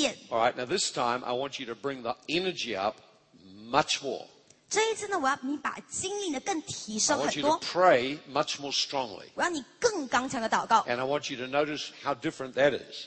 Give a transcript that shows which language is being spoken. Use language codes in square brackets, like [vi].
[en] All right, now this time I want you to bring the energy up much more. [zh] 这一次呢，我要你把精力呢更提升很多。 [en] I want you to pray much more strongly. [zh] 我要你更刚强的祷告。 [en] And I want you to notice how different that is.